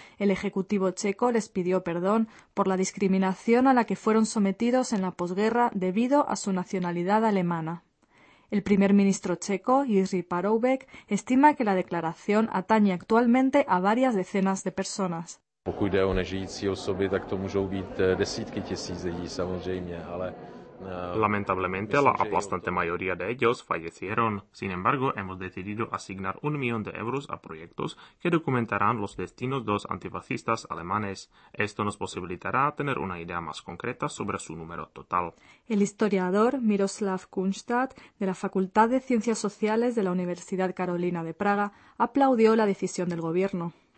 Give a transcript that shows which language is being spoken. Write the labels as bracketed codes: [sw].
[es] El Ejecutivo checo les pidió perdón por la discriminación a la que fueron sometidos en la posguerra debido a su nacionalidad alemana. El primer ministro checo, Jiří Paroubek, estima que la declaración atañe actualmente a varias decenas de personas. [cs] Pokud jde o nežijící osoby, tak to můžou být desítky tisíc lidí samozřejmě, ale [es] lamentablemente la aplastante mayoría de ellos fallecieron. Sin embargo, hemos decidido asignar 1 millón de euros a proyectos que documentarán los destinos de los antifascistas alemanes. Esto nos posibilitará tener una idea más concreta sobre su número total. El historiador Miroslav Kunstad, de la Facultad de Ciencias Sociales de la Universidad Carolina de Praga, aplaudió la decisión del gobierno.